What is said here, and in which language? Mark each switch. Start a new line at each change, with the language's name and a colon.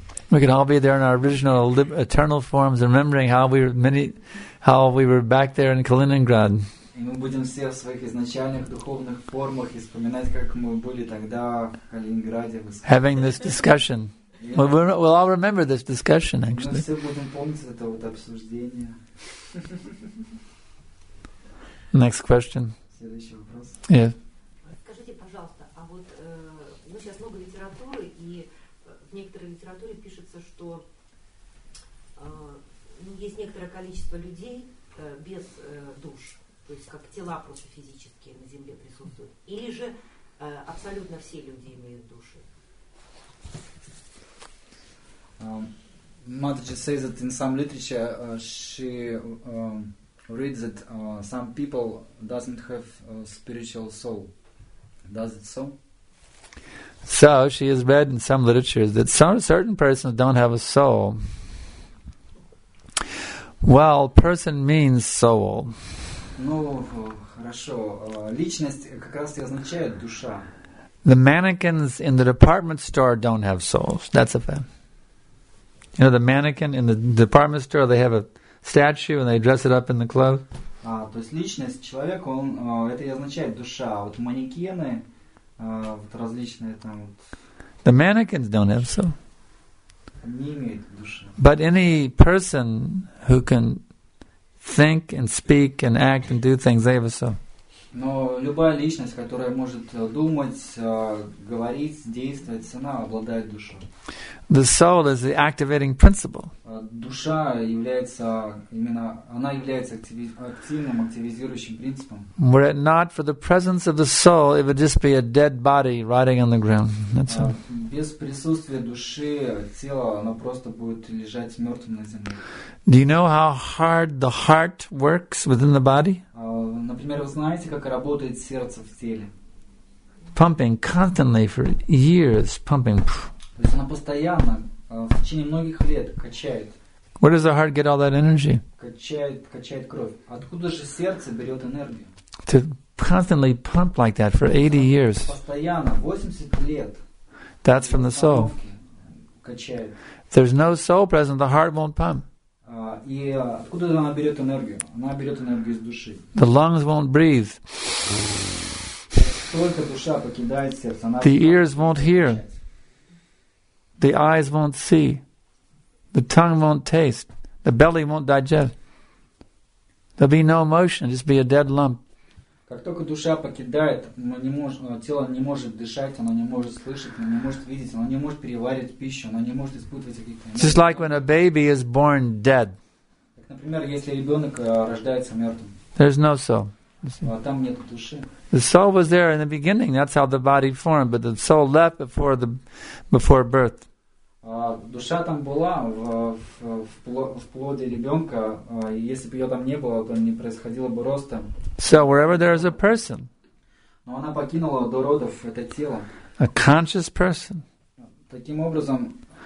English: We can all be there in our original eternal forms, remembering how we were back there in Kaliningrad.
Russian: И мы будем все в своих изначальных духовных формах и вспоминать, как мы были тогда в Калининграде.
English: Having this discussion. Yeah. We'll all remember this discussion, actually.
Russian: Мы все будем помнить это вот обсуждение.
English: Next question.
Russian: Следующий вопрос.
English: Yeah.
Russian: Скажите, пожалуйста, а вот сейчас много литературы, и в некоторой литературе пишется, что есть некоторое количество людей без душ. То есть как тела просто физические на земле присутствуют. Или же абсолютно все люди имеют души.
English: Mataji says that in some literature she reads that some people doesn't have spiritual soul. Does it so? So she has read in some literature that certain persons don't have a soul. Well, person means soul.
Russian: Ну, хорошо. Личность как раз и означает душа.
English: The mannequins in the department store don't have souls. That's a fact. You know, the mannequin in the department store, they have a statue and they dress it up in the clothes.
Russian: А, то есть личность человека, он это и означает душа. А вот манекены, вот различные там вот.
English: The mannequins don't have soul.
Russian: Они имеют душу.
English: But any person who can think and speak and act and do things, they have a soul.
Russian: Но любая личность, которая может думать, говорить, действовать, она обладает душой.
English: The soul is the activating principle.
Russian: Душа является именно, она является активным, активизирующим принципом.
English: Were it not for the presence of the soul, it would just be a dead body riding on the ground. That's all.
Russian: Без присутствия души тело, оно просто будет лежать мертвым на земле.
English: Do you know how hard the heart works within the body?
Russian: Например, вы знаете, как работает сердце в теле?
English: Pumping constantly for years, pumping.
Russian: То есть оно постоянно, в течение многих лет, качает.
English: Where does the heart get all that energy?
Russian: Качает кровь. Откуда же сердце берет энергию?
English: To constantly pump like that for 80 years.
Russian: Постоянно, 80 лет.
English: That's from the soul.
Russian: Качает.
English: There's no soul present, the heart won't pump.
Russian: И откуда она берет энергию? Она берет энергию из души.
English: The lungs won't breathe.
Russian: Только душа покидает сердце. Она
English: the ears won't hear. The eyes won't see. The tongue won't taste. The belly won't digest. There'll be no motion, just be a dead lump.
Russian: Как только душа покидает, тело не может дышать, оно не может слышать, оно не может видеть, оно не может переваривать пищу, оно не может испытывать каких-то эмоций.
English: Just like when a baby is born dead.
Russian: Как, например, если ребенок рождается мертвым.
English: There's no soul.
Russian: Там нет души.
English: The soul was there in the beginning. That's how the body formed, but the soul left before birth.
Russian: Душа там была в плоде ребенка. Если бы ее там не было, то не происходило бы роста.
English: So wherever there is a person.
Russian: Но она покинула до родов это тело.
English: A conscious person.
Russian: Таким образом.